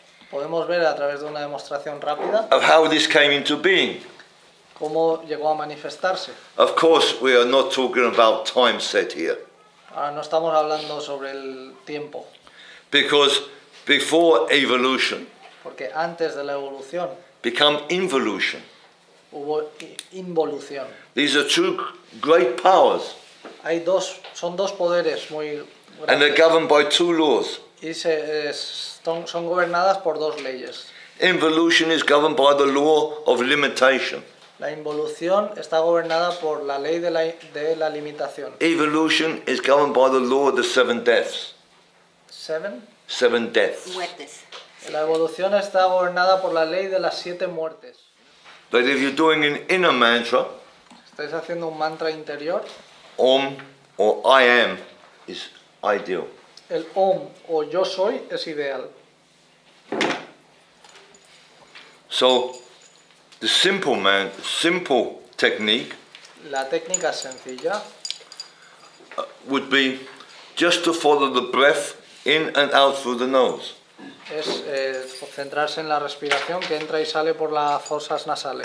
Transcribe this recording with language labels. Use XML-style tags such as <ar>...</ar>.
<es>Podemos ver a través de una demostración rápida.</es> <en>Of how this came into being.</en> <es>Cómo llegó a manifestarse.</es> <en>Of course, we are not talking about time set here.</en> <es>Ahora no estamos hablando sobre el tiempo.</es> <en>Because before evolution.</en> <es>Porque antes de la evolución.</es> <en>Become involution.</en> <es>Hubo involución.</es> <en>These are two great powers.</en> <es>Hay dos, son dos poderes muy grandes.</es> <en>And they're governed by two laws.</en> <es>Y son gobernadas por dos leyes.</es> <en>Involution is governed by the law of limitation.</en> <es>La involución está gobernada por la ley de la limitación.</es> <en>Evolution is governed by the law of the seven deaths. Seven? Seven deaths.</en> <es>Muertes. La evolución está gobernada por la ley de las siete muertes.</es> <en>But if you're doing an inner mantra,</en> <es>estáis haciendo un mantra interior.</es> <en>Om or I am is ideal.</en> <es>El Om o yo soy es ideal.</es> <en>So the simple technique.</en> <es>La técnica sencilla</es> <en>would be just to follow the breath in and out through the nose.</en> <es>Es centrarse en la respiración que entra y sale por las fosas nasales.</es>